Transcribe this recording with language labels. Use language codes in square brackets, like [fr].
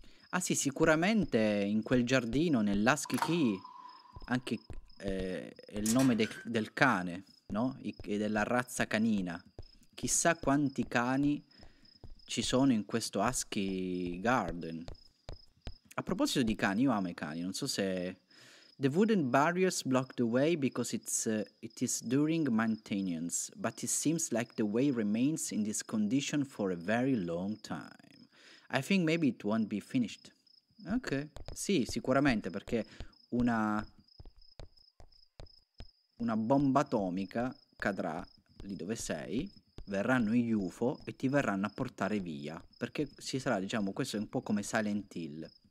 [it] Ah sì, sicuramente in quel giardino, nell'Husky Key, anche è il nome del cane, no? E della razza canina. Chissà quanti cani ci sono in questo Husky Garden. A proposito di cani, io amo i cani, non so se... [en] The wooden barriers block the way because it is during maintenance, but it seems like the way remains in this condition for a very long time. I think maybe it won't be finished. Ok. [it] Sì, sicuramente, perché una bomba atomica cadrà lì dove sei, verranno gli UFO e ti verranno a portare via. Perché ci sarà, diciamo, questo è un po' come Silent Hill.